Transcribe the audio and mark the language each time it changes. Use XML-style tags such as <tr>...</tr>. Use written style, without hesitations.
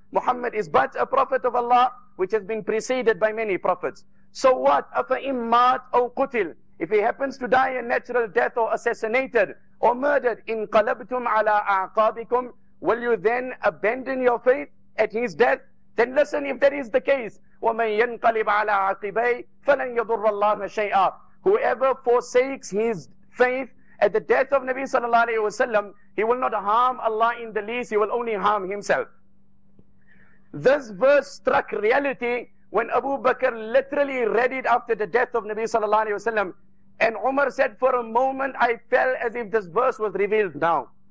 <en>Muhammad is but a prophet of Allah, which has been preceded by many prophets. So what?</en> <ar>أَفَإِمْ مَاتْ أَوْ قُتِلْ.</ar> <en>If he happens to die a natural death, or assassinated, or murdered,</en> <ar>إِنْ قَلَبْتُمْ عَلَىٰ أَعْقَابِكُمْ,</ar> <en>will you then abandon your faith at his death? Then listen, if that is the case,</en> <ar>وَمَنْ يَنْقَلِبْ عَلَىٰ عَقِبَيْ فَلَنْ يَضُرَّ اللَّهَ شَيْئًا.</ar> <en>Whoever forsakes his faith at the death of Nabi sallallahu alayhi wasallam, he will not harm Allah in the least, he will only harm himself. This verse struck reality when Abu Bakr literally read it after the death of Nabi sallallahu alayhi wasallam, and Umar said, for a moment I fell as if this verse was revealed now.</en>